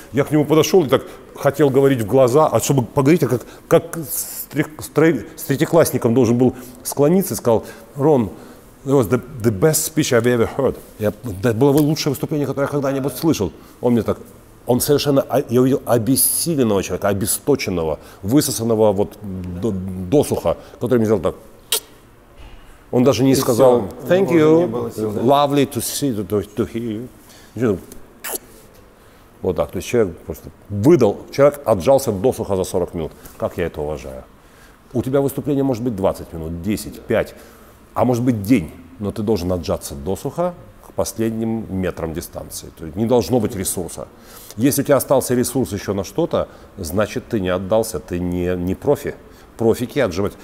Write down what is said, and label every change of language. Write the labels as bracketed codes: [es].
[ru] Я к нему подошел и так хотел говорить в глаза, а чтобы поговорить, как с третьеклассником должен был склониться, сказал, Рон, [en] it was the best speech I've ever heard. [ru] Это было лучшее выступление, которое я когда-нибудь слышал. Он мне так, он совершенно, я увидел обессиленного человека, обесточенного, высосанного вот досуха, который мне сделал так. Он даже не сказал [en] «Thank you, lovely to see, to hear you». [ru] Вот так. То есть человек просто выдал, человек отжался досуха за 40 минут. Как я это уважаю. У тебя выступление может быть 20 минут, 10, 5, а может быть день, но ты должен отжаться досуха к последним метрам дистанции. То есть не должно быть ресурса. Если у тебя остался ресурс еще на что-то, значит, ты не отдался, ты не профи. Профики отжимать.